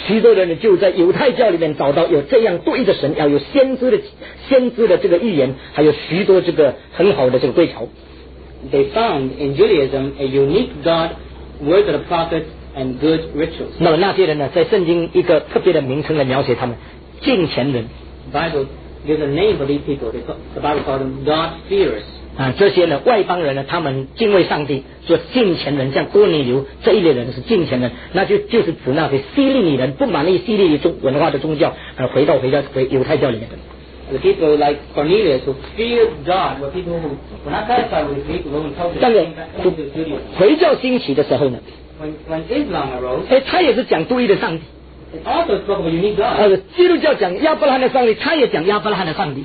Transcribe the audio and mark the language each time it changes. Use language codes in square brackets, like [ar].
[zh] 许多人就在犹太教里面找到有这样对的神，要有先知的这个预言，还有许多这个很好的这个归条。 [en] They found in Judaism a unique God, word of the prophets, and good rituals. [zh] 那么那些人呢，在圣经一个特别的名称来描写他们，敬虔人。 [en] Bible there's a name for these people. The Bible calls them God fearers. [zh] 啊，这些呢，外邦人呢，他们敬畏上帝，做敬虔人，像哥尼流这一类人是敬虔人，那就是指那些希利尼人不满意希利尼文化的宗教，回犹太教里面的。 [en] The people like Cornelius who feared God were people who were not satisfied with the Roman culture. [zh] 但是，回教兴起的时候呢 [en] ，When Islam arose, [zh] 他也是讲独一的上帝。 [en] It also spoke of a unique God. [zh] 基督教讲亚伯拉罕的上帝，他也讲亚伯拉罕的上帝。